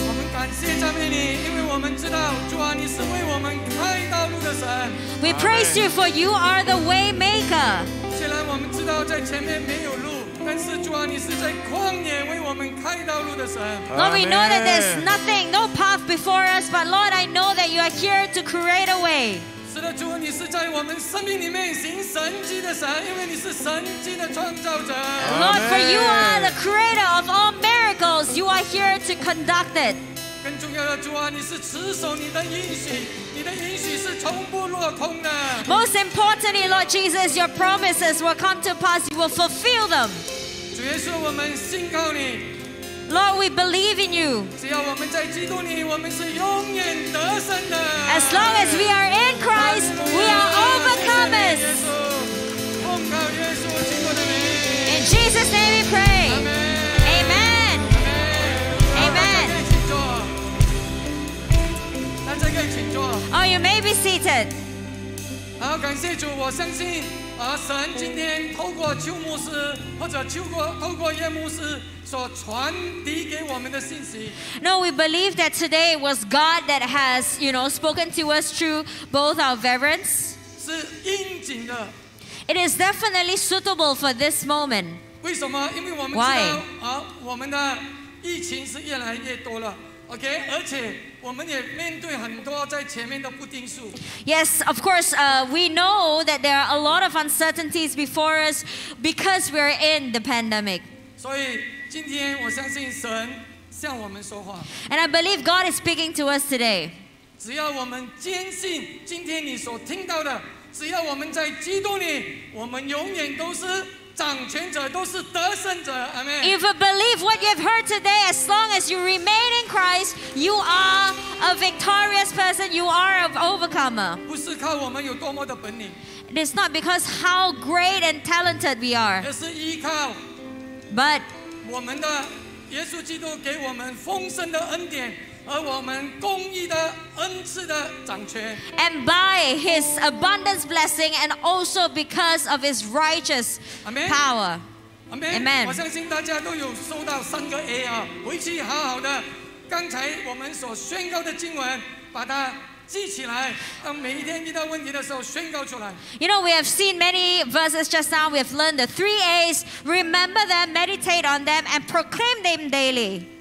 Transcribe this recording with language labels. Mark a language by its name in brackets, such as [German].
[Chinese] 我们感谢赞美你，因为我们知道主啊，你是为我们开道路的神。 [English] We praise you for you are the way maker. [Chinese] 虽然我们知道在前面没有路，但是主啊，你是在旷野为我们开道路的神。 [English] Lord, we know that there's nothing, no path before us, but Lord, I know that you are here to create a way. [Chinese] 是的，主，你是在我们生命里面行神迹的神，因为你是神迹的创造者。 [English] Lord, for you are the creator of all miracles. You are here to conduct it. [Chinese] 更重要的，主啊，你是持守你的应许，你的应许是从不落空的。 [English] Most importantly, Lord Jesus, your promises will come to pass. You will fulfill them. [Chinese] 主耶稣，我们信靠你。 [English] Lord, we believe in you. [Chinese] 只要我们在基督里，我们是永远得胜的。 [English] As long as we are in Christ, we are overcomers. [Chinese] 奉靠耶稣基督的名。 [English] In Jesus' name we pray. Amen. Amen. [Chinese] Amen. 大家可以请坐。 [English] Oh, you may be seated. [Chinese] 好，感谢主，我相信神今天透过邱牧师或者透过叶牧师所传递给我们的信息。 [English] No, we believe that today it was God that has, you know, spoken to us through both our reverence. [Chinese] 是应景的。 [English] It is definitely suitable for this moment. [Chinese] 为什么？因为我们知道，我们的疫情是越来越多了。 Okay, 而且我们也面对很多在前面的不定数。 [English] Yes, of course, we know that there are a lot of uncertainties before us because we're in the pandemic. [Chinese] 所以今天我相信神向我们说话。 [English] And I believe God is speaking to us today. [Chinese] 只要我们坚信今天你所听到的，只要我们在基督里，我们永远都是掌权者，都是得胜者。 [English] Amen. If you believe what you've heard today, as long as you remain in Christ, you are a victorious person. You are an overcomer. [Chinese] 不是靠我们有多么的本领。 [English] It's not because how great and talented we are. [Chinese] 而是依靠。 [English] But [Chinese] 我们的耶稣基督给我们丰盛的恩典。而我们公义的恩赐的掌权 [English] and by his abundance blessing and also because of his righteous Amen. power Amen. [Chinese] Amen 我相信大家都有收到三个 A 啊，回去好好的刚才我们所宣告的经文把它 [English] You know, we have seen many verses just now. We have learned the three A's. Remember them, meditate on them, and proclaim them daily.